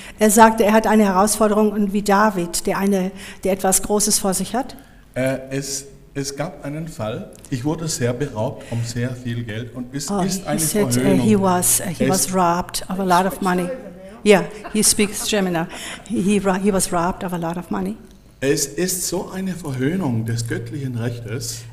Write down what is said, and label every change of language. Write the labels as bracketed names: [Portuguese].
[German] Er sagte, er hat eine Herausforderung und wie David, der etwas Großes vor sich hat. Es gab einen Fall. Ich wurde sehr beraubt um sehr viel Geld und ist eine Verhöhnung. [English] He was robbed of a lot of money. Yeah, he speaks German now. He was robbed of a lot of money. [German] Es ist so eine Verhöhnung des göttlichen Rechtes.